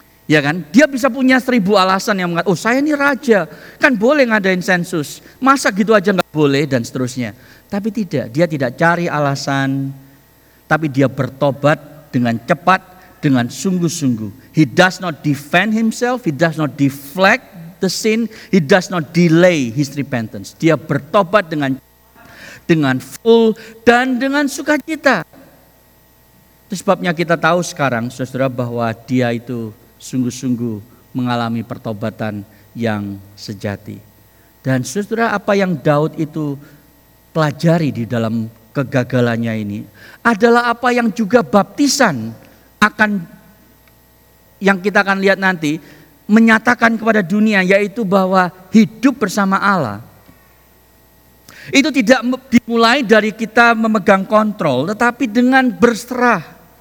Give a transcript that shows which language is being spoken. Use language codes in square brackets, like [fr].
[id] Ya kan, dia bisa punya 1000 alasan yang mengatakan, oh saya ini raja, kan boleh ngadain sensus, masa gitu aja gak boleh dan seterusnya. Tapi tidak, dia tidak cari alasan, tapi dia bertobat dengan cepat, dengan sungguh-sungguh. [en] He does not defend himself, he does not deflect the sin, he does not delay his repentance. [id] Dia bertobat dengan cepat, dengan full, dan dengan sukacita. Itu sebabnya kita tahu sekarang, saudara, bahwa dia itu sungguh-sungguh mengalami pertobatan yang sejati. Dan saudara, apa yang Daud itu pelajari di dalam kegagalannya ini adalah apa yang juga baptisan akan, yang kita akan lihat nanti, menyatakan kepada dunia, yaitu bahwa hidup bersama Allah itu tidak dimulai dari kita memegang kontrol, tetapi dengan berserah.